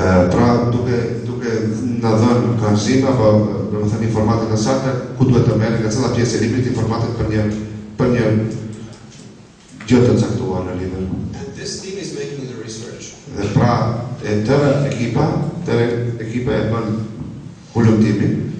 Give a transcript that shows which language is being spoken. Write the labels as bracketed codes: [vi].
[sq] Pra duke na dhënë kanzim apo domethënë informatën e saktë ku duhet të merren nga çdo pjesë e librit informatet për një gjë të caktuar në libër. [en] And this team is making the research. [sq] Dhe pra tërë ekipa e bën hulumtimin.